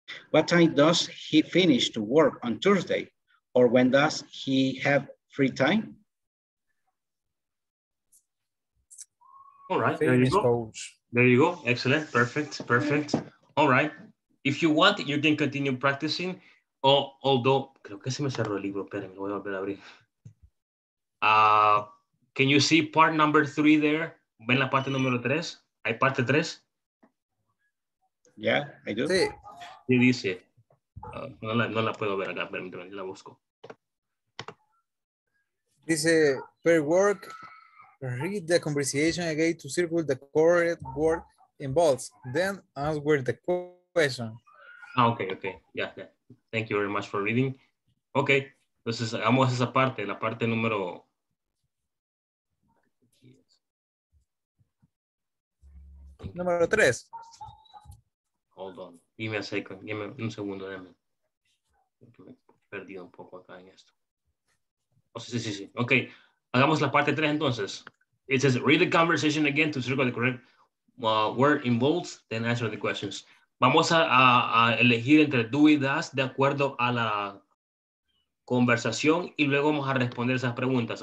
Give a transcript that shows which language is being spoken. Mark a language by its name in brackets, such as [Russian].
[English] What time does he finish to work on Tuesday? Or when does he have free time? All right, there you go. There you go, excellent, perfect, perfect. All right, if you want, you can continue practicing. [Spanish] Although, creo que se me cerró el libro, esperen, voy a volver a abrir. [English] Can you see part number three there? [Spanish] ¿Ven la parte número tres? ¿Hay parte tres? [English] Yeah, I do. [Spanish] Sí. Y dice, no la puedo ver acá, permíteme, la busco. [English] Dice, per work, read the conversation again to circle the correct word involved. Then answer the question. Ah, okay, okay. Yeah, yeah. Thank you very much for reading. [Spanish] Okay, entonces hagamos esa parte, la parte número... Número tres. [English] Hold on. Give me a second. Give me [Spanish] un segundo. Dame. Me he perdido un poco acá en esto. Oh, sí, sí, sí. Ok. Hagamos la parte tres entonces. [English] It says, read the conversation again to circle the correct word involved, then answer the questions. [Spanish] Vamos a elegir entre do y does de acuerdo a la conversación y luego vamos a responder esas preguntas.